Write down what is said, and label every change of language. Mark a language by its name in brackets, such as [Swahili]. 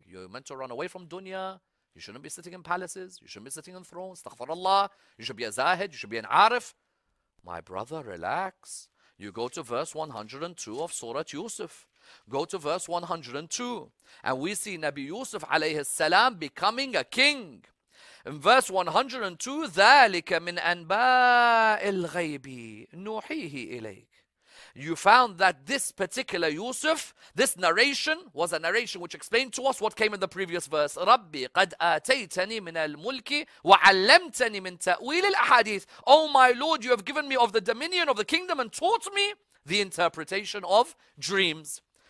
[English] You're meant to run away from dunya. You shouldn't be sitting in palaces. You shouldn't be sitting on thrones. Astaghfar Allah. You should be a zahid. You should be an arif. My brother, relax. You go to verse 102 of Surah Yusuf. Go to verse 102. And we see Nabi Yusuf alayhi salam becoming a king. In verse 102, [Arabic] ذَلِكَ مِنْ أَنْبَاءِ الْغَيْبِ نُوحِيهِ إِلَيْكَ. [English] You found that this particular Yusuf, this narration, was a narration which explained to us what came in the previous verse. [Arabic] رَبِّ قَدْ آتَيْتَنِي مِنَ الْمُلْكِ وَعَلَّمْتَنِي مِنْ تَأْوِيلِ الْأَحَادِيثِ. [English] Oh my Lord, you have given me of the dominion of the kingdom and taught me the interpretation of dreams.